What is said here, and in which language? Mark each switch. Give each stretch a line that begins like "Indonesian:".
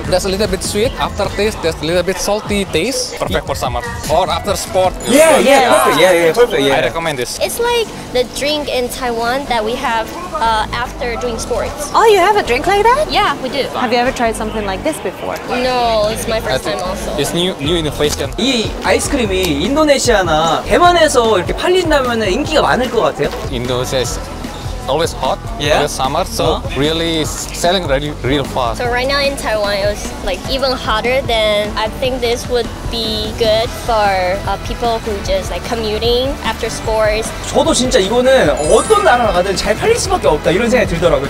English: That's a little bit sweet. Aftertaste, that's a little bit salty taste. Perfect for summer. Or after sport. Yeah, perfect. I recommend this. It's like the drink in Taiwan that we have after doing sports. Oh, you have a drink like that? Yeah, we do. Have you ever tried something like this before? No, it's my first time also. It's new innovation.
Korean: 이 아이스크림이 인도네시아나 대만에서 이렇게 팔린다면 인기가 많을 것 같아요?
English: 인도네시아. Always hot, yeah. Always summer, so really selling really, real fast. So right now in Taiwan, it was like even hotter than I think this would be good for people who just like commuting after sports.
Korean: 저도 진짜 이거는 어떤 나라 가든 잘 팔릴 수밖에 없다 이런 생각이 들더라고요.